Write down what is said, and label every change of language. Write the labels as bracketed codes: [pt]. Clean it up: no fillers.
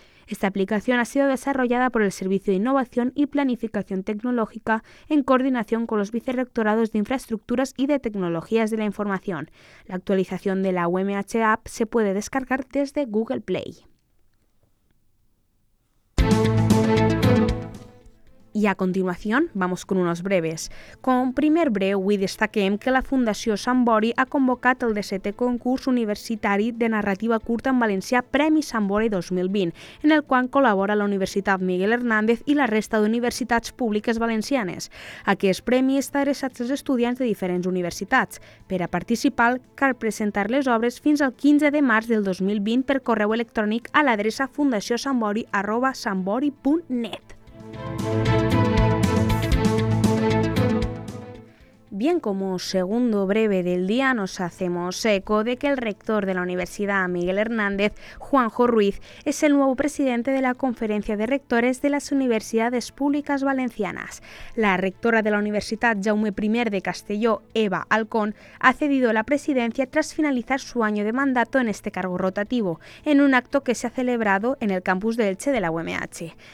[es] Esta aplicación ha sido desarrollada por el Servicio de Innovación y Planificación Tecnológica en coordinación con los vicerrectorados de Infraestructuras y de Tecnologías de la Información. La actualización de la UMH App se puede descargar desde Google Play. Y a continuación, vamos con unos breves. [ca] Com primer breu, vull destaquem que la Fundació Sant Bori ha convocat el 17è concurs universitari de narrativa curta en valencià Premi Sant Bori 2020, en el qual col·labora la Universitat Miguel Hernández i la resta d'universitats públiques valencianes. Aquest premi està adreçat als estudiants de diferents universitats. Per a participar, cal presentar les obres fins al 15 de març del 2020 per correu electrònic a l'adreça fundaciosantbori@sambori.net. [es] Bien, como segundo breve del día, nos hacemos eco de que el rector de la Universidad Miguel Hernández, Juanjo Ruiz, es el nuevo presidente de la Conferencia de Rectores de las Universidades Públicas Valencianas. La rectora de la Universidad Jaume I de Castelló, Eva Alcón, ha cedido la presidencia tras finalizar su año de mandato en este cargo rotativo, en un acto que se ha celebrado en el campus de Elche de la UMH.